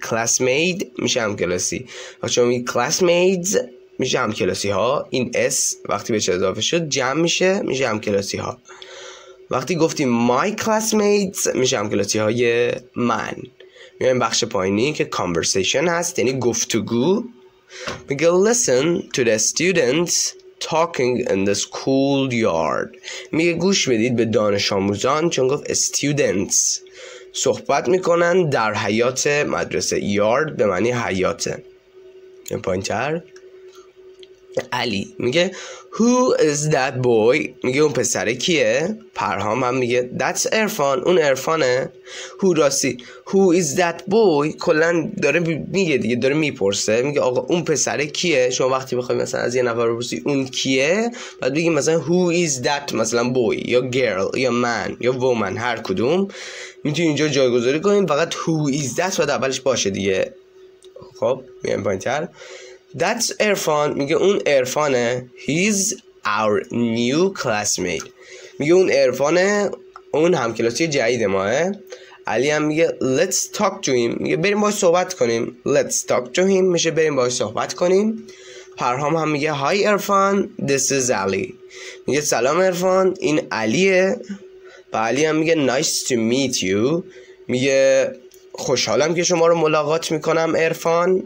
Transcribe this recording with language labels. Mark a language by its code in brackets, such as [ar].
[fa] Classmate میشه همکلاسی. و چون میگه classmates میشه همکلاسی ها، این S وقتی بهش اضافه شد جمع میشه، میشه همکلاسی ها. وقتی گفتیم [en] my classmates [fa] میشه همکلاسی های من. میایم بخش پایینی که conversation هست، یعنی گفتگو. میگه [en] listen to the students talking in the school yard. [fa] میگه گوش بدید به دانش آموزان، چون گفت students صحبت میکنن در حیات مدرسه. yard به معنی حیاته. پایین تر علی میگه [en] who is that boy؟ [fa] میگه اون پسره کیه؟ پرهام هم میگه [en] that's [fa] عرفان، اون عرفانه. who راستی [en] who is that boy [fa] کلن داره میگه دیگه، داره میپرسه، میگه آقا اون پسره کیه؟ شما وقتی بخوای مثلا از یه نفر بپرسی اون کیه، بعد بگی مثلا [en] who is that [fa] مثلا boy یا girl یا man یا woman، هر کدوم میتونی اینجا جایگذاری کنیم، فقط who is that باید اولش باشه دیگه. خب میگم پایین‌تر [en] That's [fa] عرفان، میگه اون عرفانه. [en] He's our new classmate. [fa] میگه اون عرفانه، اون همکلاسی جدید ماه. علی هم میگه [en] Let's talk to him. [fa] میگه بریم باهاش صحبت کنیم. [en] Let's talk to him [fa] میشه بریم باهاش صحبت کنیم. پرهام هم میگه [en] Hi [fa] عرفان, [en] this is Ali. [fa] میگه سلام عرفان، این علیه. و علی هم میگه [en] Nice to meet you. [fa] میگه خوشحالم که شما رو ملاقات میکنم عرفان.